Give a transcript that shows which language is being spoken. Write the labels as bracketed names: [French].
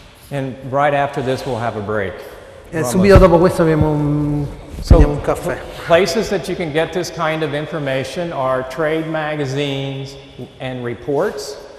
[English] And right after this we'll have a break. [Italian] Subito dopo questo prendiamo un caffè. [English] Places that you can get this kind of information are trade magazines and reports.